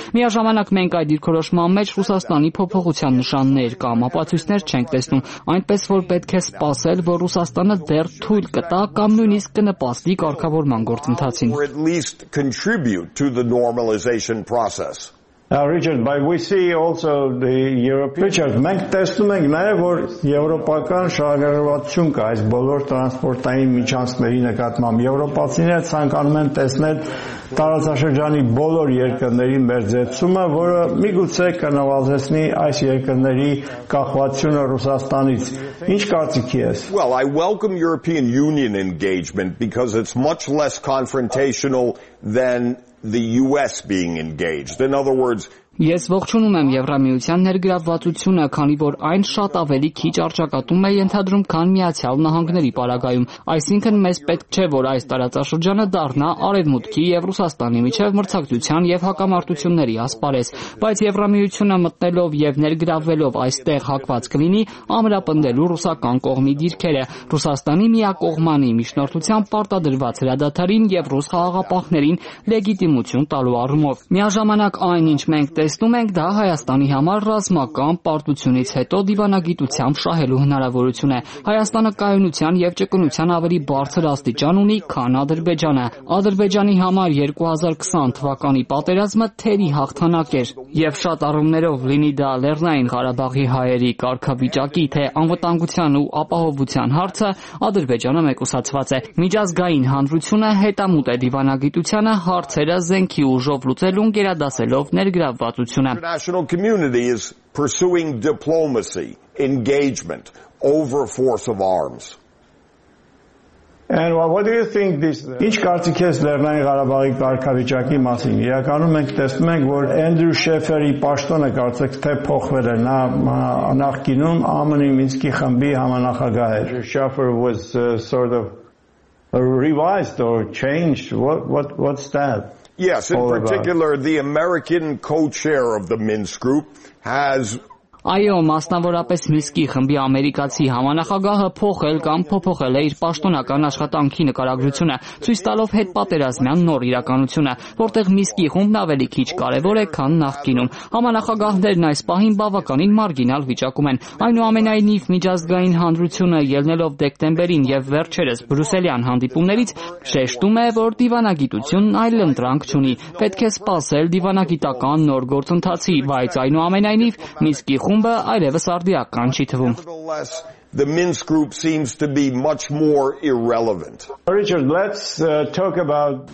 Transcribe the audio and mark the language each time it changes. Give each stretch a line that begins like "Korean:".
Armenian: Միաժամանակ մենք այդ դիրքորոշման մեջ Ռուսաստանի փոփոխություն նշաններ կամ ապացույցներ չենք տեսնում, այնպես որ պետք է սպասել, որ Ռուսաստանը դեռ թույլ կտա կամ նույնիսկ կնպաստի կարգավորման գործընթացին։
English: Richard, but we see also the European.
Armenian: Richard, մենք տեսնում ենք նաև, որ եվրոպական շահագրգռվածություն կա այս բոլոր տրանսպորտային միջանցքների նկատմամբ։ Եվրոպացիները ցանկանում են տեսնել տարածաշրջանի բոլոր երկրների մերձեցումը, որը միգուցե կնվազեցնի այս երկրների կախվածությունը Ռուսաստանից։ Ինչ կարծիքի ես?
English: Well, I welcome European Union engagement because it's much less confrontational than the US being engaged. In other words,
Armenian: ես ողջունում եմ Եվրամիության ներգրավվածությունը, քանի որ այն շատ ավելի քիչ արժակատում է ենթադրում, քան Միացյալ Նահանգների պարագայում։ Այսինքն, մեզ պետք չէ, որ այս տարածաշրջանը դառնա Արևմուտքի եւ Ռուսաստանի միջև մրցակցության եւ հակամարտությունների ասպարես, բայց Եվրամիությունը մտնելով եւ ներգրավվելով այստեղ հակված կլինի ամրապնդելու ռուսական կողմի դիրքերը, Ռուսաստանի միակողմանի միջնորդության պարտադրված հրադադարին եւ ռուս խաղաղապահներին լեգիտիմություն տալու առումով։ Միաժամանակ այնինչ տեսնում ենք, դա Հայաստանի համար ռազմական պարտությունից հետո դիվանագիտությամբ շահելու հնարավորություն է։ Հայաստանը կայունության եւ ճկունության ավելի բարձր աստիճան ունի, քան Ադրբեջանը։ Ադրբեջանի համար 2020 թվականի պատերազմը թերի հաղթանակ էր, եւ շատ առումներով լինի դա Լեռնային Ղարաբաղի հայերի կարգավիճակի թե անվտանգության ու ապահովության հարցը, Ադրբեջանը մեկուսացված է։ Միջազգային հանրությունը հետամուտ է դիվանագիտությանը հարցերը զենքի ուժով լուծելուն գերադասելով
English: International community is pursuing diplomacy, engagement over force of arms. And what do you think this?
Armenian: Ինչ կարծիք ես Լեռնային Ղարաբաղի կարգավիճակի մասին? Իրականում մենք տեսնում ենք, որ Andrew Schaeffer-ի պաշտոնը կարծեք թե փոխվել է, նա նախկինում ԱՄՆ-ի Մինսկի խմբի համանախագահ էր.
English: Schaeffer was sort of revised or changed. What's that? Yes, in particular, the American co-chair of the Minsk group has...
Armenian: Այո, մասնավորապես Մինսկի խմբի ամերիկացի համանախագահը փոխել կամ փոփոխել է իր պաշտոնական աշխատանքի նկարագրությունը, ցույց տալով հետպատերազմյան նոր իրականությունը, որտեղ Մինսկի խումբն ավելի քիչ կարևոր է, քան նախկինում։ Համանախագահներն այս պահին բավականին մարգինալ վիճակում են։ Այնուամենայնիվ, միջազգային հանրությունը, ելնելով դեկտեմբերին եւ վերջերս բրյուսելյան հանդիպումներից, շեշտում է, որ դիվանագիտությունն այլ ընտրանք չունի, պետք է սպասել դիվանագիտական նոր գործընթացի, բայց այնուամենայնիվ Մինսկի խումբը այլևս արդիական չի թվում։
English: The Minsk group seems to be much more irrelevant. Richard, let's talk about